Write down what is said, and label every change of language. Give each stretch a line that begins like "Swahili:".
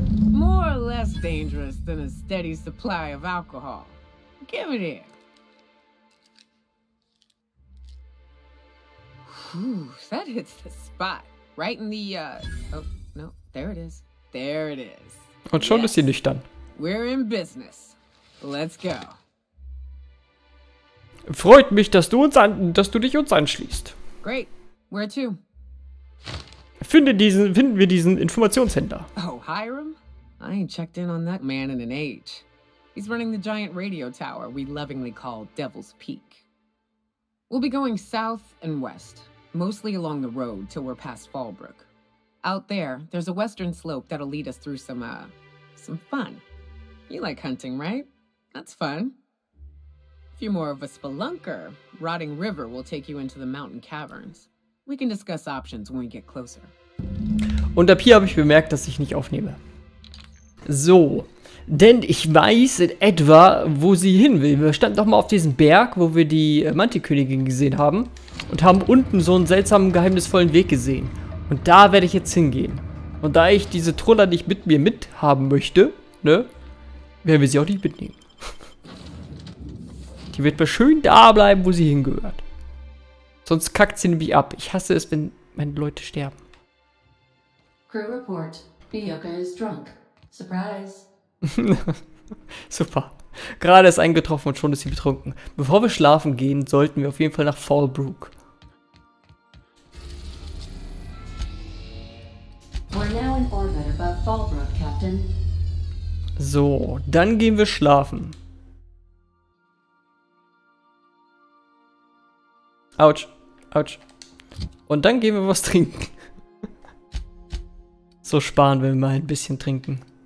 English: More or less dangerous than a steady supply of alcohol. Give it here. Whew, that hits the spot. Right in the, oh, no, there it is. There it is.
German: Und schon ist sie nüchtern.
English: We're in business. Let's go.
German: Freut mich, dass du uns dich uns anschließt.
English: Great. Where to?
German: Finden wir diesen Informationshändler.
English: Oh, Hiram? I ain't checked in on that man in an age. He's running the giant radio tower we lovingly call Devil's Peak. We'll be going south and west, mostly along the road till we're past Fallbrook. Out there, there's a western slope that'll lead us through some fun. You like hunting, right? That's fun. If you're more of a spelunker, Rotting River will take you into the mountain caverns. We can discuss options when we get closer.
German: Und ab hier habe ich bemerkt, dass ich nicht aufnehme. So, denn ich weiß in etwa, wo sie hin will. Wir standen doch mal auf diesem Berg, wo wir die Mantikönigin gesehen haben und haben unten so einen seltsamen, geheimnisvollen Weg gesehen. Und da werde ich jetzt hingehen. Und da ich diese Troller nicht mit mir mithaben möchte, ne, werden wir sie auch nicht mitnehmen. Die wird mal schön da bleiben, wo sie hingehört. Sonst kackt sie nämlich ab. Ich hasse es, wenn meine Leute sterben.
English: Crew report. Neoka is drunk. Surprise.
German: Super. Gerade ist eingetroffen und schon ist sie betrunken. Bevor wir schlafen gehen, sollten wir auf jeden Fall nach Fallbrook.
English: We're now in orbit above Fallbrook, Captain.
German: So, dann gehen wir schlafen. Autsch, autsch. Und dann gehen wir was trinken. So sparen wir mal ein bisschen trinken.